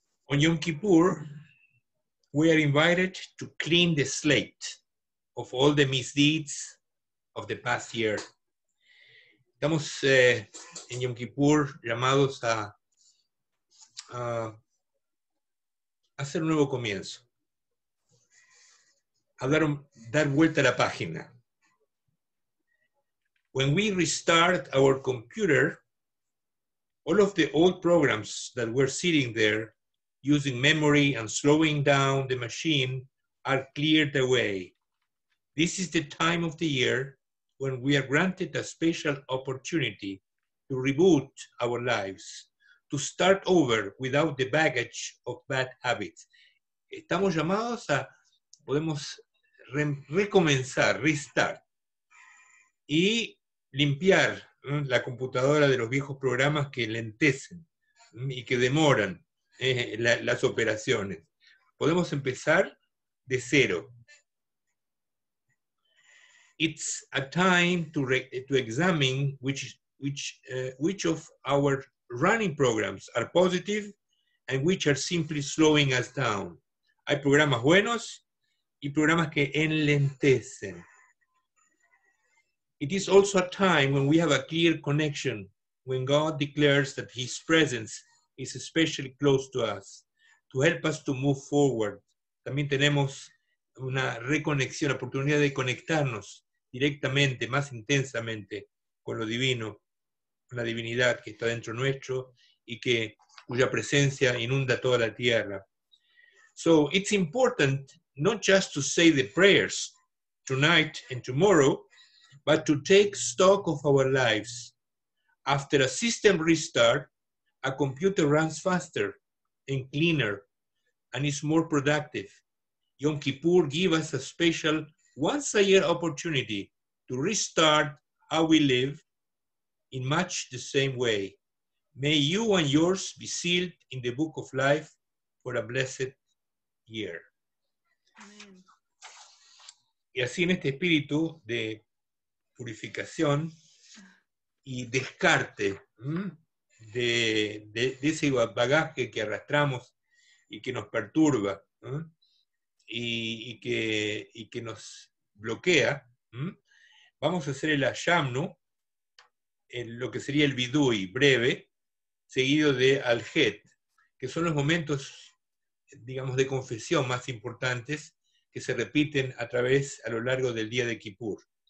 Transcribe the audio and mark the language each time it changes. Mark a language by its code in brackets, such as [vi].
[en] On Yom Kippur, we are invited to clean the slate of all the misdeeds of the past year. [es] Estamos en Yom Kippur llamados a hacer un nuevo comienzo, a dar vuelta a la página. [en] When we restart our computer, all of the old programs that were sitting there using memory and slowing down the machine are cleared away. This is the time of the year when we are granted a special opportunity to reboot our lives, to start over without the baggage of bad habits. [es] Estamos llamados a, podemos recomenzar, restart, y limpiar la computadora de los viejos programas que lentecen y que demoran las operaciones. Podemos empezar de cero. [en] it's a time to examine which of our running programs are positive and which are simply slowing us down. [es] Hay programas buenos y programas que enlentecen. [en] It is also a time when we have a clear connection, when God declares that His presence is especially close to us, to help us to move forward. [es] También tenemos una reconexión, la oportunidad de conectarnos directamente, más intensamente, con lo divino, con la divinidad que está dentro nuestro y que, cuya presencia inunda toda la tierra. [en] So it's important not just to say the prayers tonight and tomorrow, but to take stock of our lives. After a system restart, a computer runs faster and cleaner and is more productive. Yom Kippur gives us a special once-a-year opportunity to restart how we live in much the same way. May you and yours be sealed in the Book of Life for a blessed year. [es] Amen. Y así en este espíritu de purificación y descarte de ese bagaje que arrastramos y que nos perturba y que nos bloquea, vamos a hacer el ayamnu, lo que sería el vidui breve, seguido de alhet, que son los momentos, digamos, de confesión más importantes que se repiten a través, a lo largo del día de Kippur.